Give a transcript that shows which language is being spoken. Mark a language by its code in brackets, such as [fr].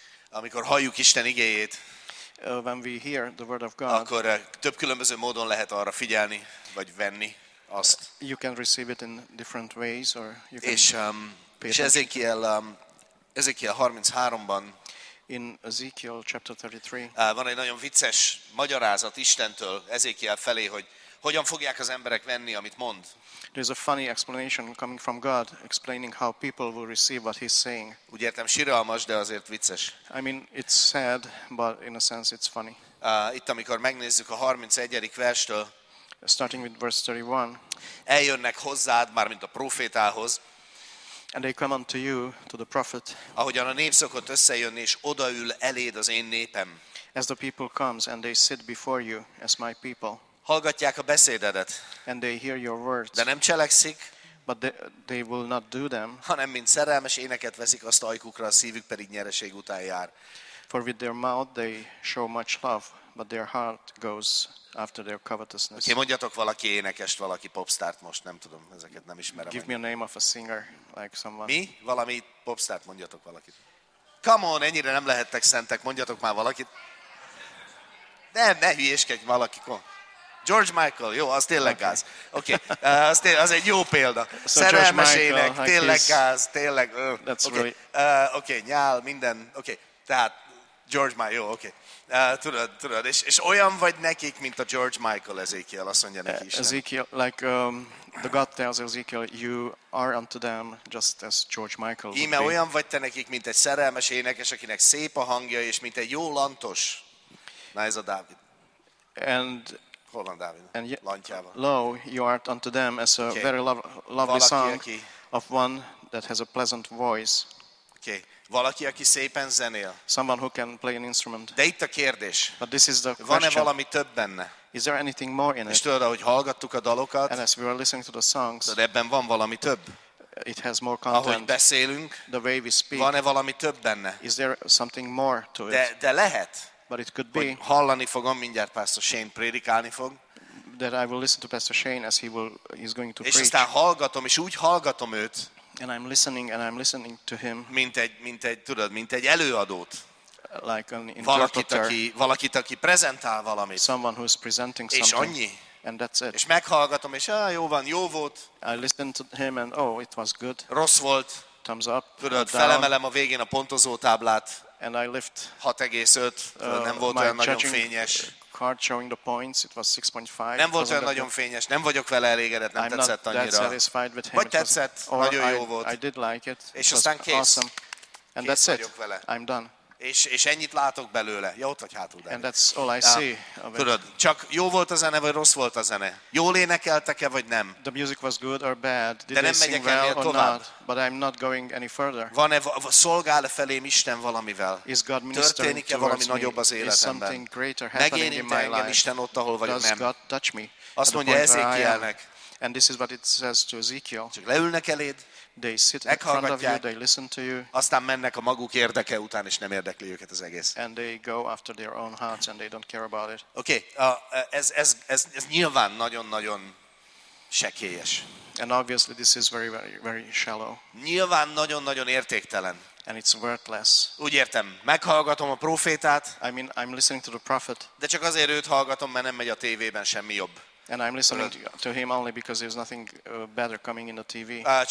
[hu] Amikor halljuk Isten igéjét, [en] when we hear the word of God, [hu] akkor több különböző módon lehet arra figyelni, vagy venni azt. [en] You can receive it in different ways, or you can [hu] És Ezékiel 33-ban [en] in Ezekiel chapter 33, [hu] van egy nagyon vicces magyarázat Istentől Ezékiel felé, hogy hogyan fogják az emberek venni, amit mond. [en] There is a funny explanation coming from God explaining how people will receive what he's saying. [hu] Úgy értem, siralmas, de azért vicces. [en] I mean, it's sad, but in a sense it's funny. [hu] Itt, amikor megnézzük a 31. verstől, [en] starting with verse 31, [hu] eljönnek hozzád, mármint a prófétához, [en] and they come unto you, to the prophet, [hu] ahogyan a nép szokott összejönni, és odaül eléd az én népem. [en] As the people comes and they sit before you as my people. [hu] Hallgatják a beszédedet, [en] and they hear your words, [hu] de nem cselekszik, [en] but they will not do them, [hu] hanem mint szerelmes éneket veszik azt ajkukra, a szívük pedig nyereség után jár. [en] For with their mouth they show much love, but their heart goes after their covetousness. [hu] Okay, mondjatok valaki énekest, valaki popstart most, nem tudom, ezeket nem ismerem. [en] Give me a name of a singer, like someone. [hu] Mi? Valami popstart, mondjatok valakit. [en] Come on, [hu] ennyire nem lehettek szentek, mondjatok már valakit. Ne hülyéskedj valaki, kom. George Michael, jó, az tényleg gáz. Oké, okay. Az egy jó példa. [en] So [hu] szerelmes Michael, ének, tényleg gáz, tényleg... Oké, okay. Okay. Nyál, minden, oké. Okay. Tehát George Michael, jó, oké. Okay. Tudod, és olyan vagy nekik, mint a George Michael, Ezekiel, azt mondja neki is. [en] Ezekiel, like, the God tells Ezekiel, you are unto them just as George Michael. [hu] Íme, olyan vagy te nekik, mint egy szerelmes énekes, akinek szép a hangja, és mint egy jó lantos. Na, ez a Dávid. [en] And... [hu] Hol van Dávid? [en] And [hu] lantjában. [en] Lo, you art unto them as a okay. Very lovely [hu] valaki, [en] song [hu] aki... [en] of one that has a pleasant voice. Okay. [hu] Valaki, aki szépen zenél. [en] Someone who can play an instrument. [hu] De itt a kérdés. [en] But this is the question. [hu] Van-e valami több benne? [en] Is there anything more in it? [hu] És tudod, ahogy hallgattuk a dalokat. [en] And as we were listening to the songs. [hu] De ebben van valami több. [en] It has more content. [hu] Ahogy beszélünk. [en] The way we speak. [hu] Van-e valami több benne? [en] Is there something more to it? [hu] De lehet. [en] But it could be. [hu] Hogy hallani fogom mindjárt Pastor Shane prédikálni fog. [en] That I will listen to Pastor Shane as he's going to [hu] és És aztán hallgatom, és úgy hallgatom őt. [en] And I'm listening and I'm listening to him. [hu] Mint egy tudod, mint egy előadót. [en] Like an interpreter. [hu] Valakit, aki prezentál valamit. [en] Someone who's presenting something. [hu] És annyi. [en] And that's it. [hu] És meghallgatom, és jó van, jó volt. [en] I listened to him and oh, it was good. [hu] Rossz volt. [en] Thumbs up. [hu] Tudod, felemelem a végén a pontozó táblát. [en] And I lift [hu] 6,5, nem volt olyan nagyon fényes. [en] Card showing the points, it was 6.5. [hu] Nem volt olyan nagyon fényes, nem vagyok vele elégedett, nem tetszett annyira. Vagy tetszett, nagyon jó volt. [en] I did like it. [hu] És aztán kész. [en] Awesome. And [hu] kész [en] that's [hu] vagyok [en] it. [hu] Vele. [en] I'm done. [hu] És ennyit látok belőle. Ja, ott vagy hátul, David. [en] And that's all I see. [hu] Tudod, csak jó volt a zene, vagy rossz volt a zene? Jól énekeltek-e, vagy nem? [en] The music was good or bad. Did [hu] de nem megyek [en] well [hu] ennél tovább. [en] Not, but I'm not going any further. [hu] Van-e, szolgál-e felém Isten valamivel? [en] Is God ministering [hu] történik-e valami [en] me? [hu] Nagyobb az életemben? [en] Is something greater happening in my life? [hu] Megérint-e engem Isten ott, ahol vagyok, nem? [en] Does God touch me? [hu] Azt mondja Ezékielnek. [en] And this is what it says to Ezekiel. [hu] Csak leülnek eléd. [en] They sit in front of you, they listen to you. [hu] Aztán mennek a maguk érdeke után, és nem érdekli őket az egész. [en] And they go after their own hearts and they don't care about it. [hu] Okay, ez nyilván nagyon-nagyon sekélyes. [en] And obviously this is very very very shallow. [hu] Nyilván nagyon-nagyon értéktelen. [en] And it's worthless. [hu] Úgy értem, meghallgatom a prófétát. [en] I mean, I'm listening to the prophet. [hu] De csak azért őt hallgatom, mert nem megy a tévében semmi jobb. [en] And I'm listening to him only because there's nothing better coming in the TV.